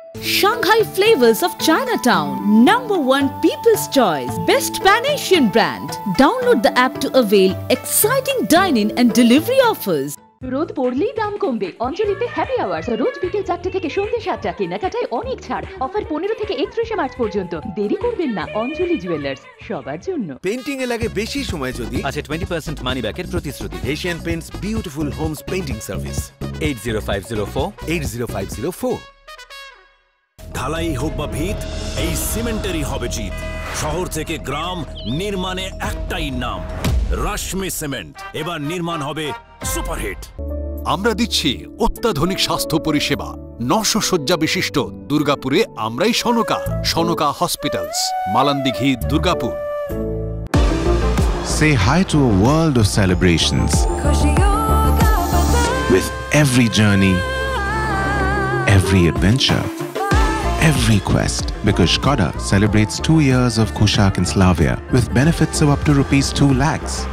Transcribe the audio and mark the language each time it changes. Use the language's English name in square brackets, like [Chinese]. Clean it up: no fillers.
[English] Shanghai flavors of Chinatown, #1 people's choice, best Pan-Asian brand. Download the app to avail exciting dine-in and delivery offers. [Bangla] রোদ পড়লেই দাম কমবে, অঞ্জলিতে happy hours, রোজ বিকেল 4টা থেকে সন্ধ্যা 7টা, কেনাকাটায় অনেক ছাড়, অফার 15 থেকে 31 মার্চ পর্যন্ত, দেরি করবেন না, অঞ্জলি জুয়েলার্স, সবার জন্য। পেইন্টিং এ লাগে বেশি সময় যদি আছে 20% মানি ব্যাক এর প্রতিশ্রুতি, Asian Paints beautiful Holmes painting service, 8050480504। ঢালাই হোক বা ভিত, এই সিমেন্টারি হবে জিত, শহর থেকে গ্রাম নির্মাণে একটাই নাম, রশ্মি সিমেন্ট, এবার নির্মাণ হবে সুপারহিট। আমরা দিচ্ছি অত্যাধুনিক স্বাস্থ্য পরিষেবা, 900 শয্যা বিশিষ্ট দুর্গাপুরে আমরাই Sonka, Sonka hospitals, মালান্দিঘি Durgapur. [English] Say hi to a world of celebrations with every journey, every adventure, every quest, because Skoda celebrates 2 years of Kushak in Slavia with benefits of up to rupees 2 lakhs.